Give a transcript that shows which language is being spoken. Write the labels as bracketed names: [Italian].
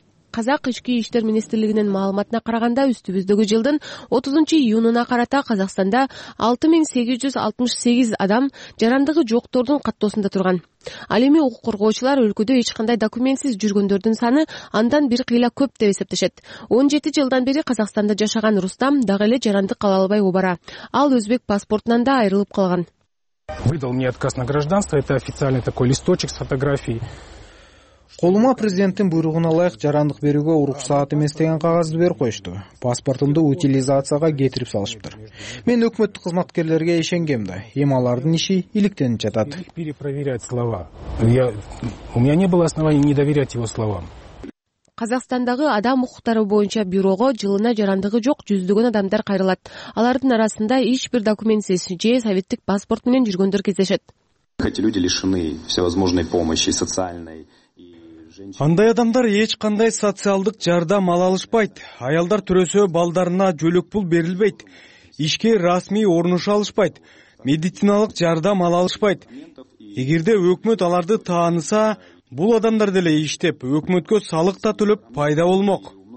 [Kyrgyz] Казак ички иштер министрлигинин маалыматына караганда, үстүбүздөгү жылдын 30-июнуна карата Казакстанда 6868 адам жарандыгы жоктордун каттоосунда турган. Ал эми укук коргоочулар өлкөдө эч кандай документсиз жүргөндөрдүн саны андан бир кыйла көп деп эсептешет. 17 жылдан бери Казакстанда жашаган Рустам дагы эле жарандык кала албай убара. Ал өзбек паспортунан да айрылып калган. [Russian] Выдал мне отказ на гражданство, это официальный такой листочек с фотографией. [Kyrgyz] Колума президенттин буйругуна ылайык жарандык берүүгө уруксаат эмес деген кагазды берип коюшту. Паспортумду утилизацияга кетирип салышыптыр. Мен өкмөттүк кызматкерлерге ишенгем да, эми алардын иши иликтенип жатат. [Russian] Перепроверять слова. У меня не было оснований не доверять его словам. [Kyrgyz] Казакстандагы адам укуктары боюнча бюрого жылына жарандыгы жок жүздөгөн адамдар кайрылат. Алардын арасында эч бир документсиз же советтик паспорт менен жүргөндөр кездешет. [Russian] Эти люди лишены всевозможной помощи социальной. [Kyrgyz] Андай адамдар эч кандай социалдык жардам ала алышпайт. Аялдар төрөсө балдарына жөлөк пул берилбейт. Ишке расмий орнуша алышпайт. Медициналык жардам ала алышпайт. Эгерде өкмөт аларды тааныса, бул адамдар деле иштеп, өкмөткө салык да төлөп пайда болмок.